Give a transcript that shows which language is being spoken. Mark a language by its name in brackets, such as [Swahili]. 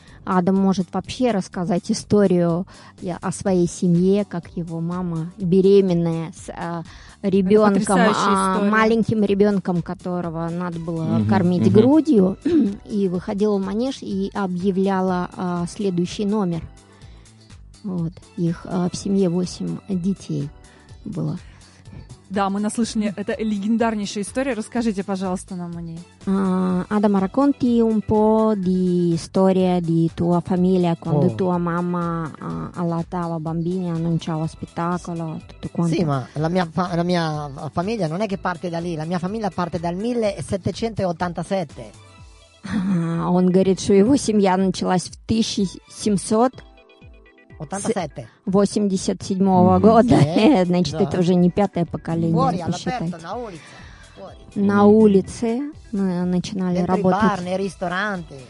[Russian] Адам может вообще рассказать историю о своей семье, как его мама беременная с ребенком, маленьким ребенком, которого надо было кормить грудью, и выходила в манеж и объявляла следующий номер. Вот. Их в семье 8 детей было. Да, мы наслышали, это легендарнейшая история. Расскажите, пожалуйста, нам о ней. [Italian] Адам, [Russian] расскажи [Italian] un po' di storia di tua famiglia quando tua mamma allattava bambini, annunciava spettacolo, tutto quanto. Sì, ma la mia famiglia non è che parte da lì, la mia famiglia parte dal 1787. [Russian] Он говорит, что его семья началась в 1700 87-го года, значит, это уже не пятое поколение, если посчитать. На улице начинали работать.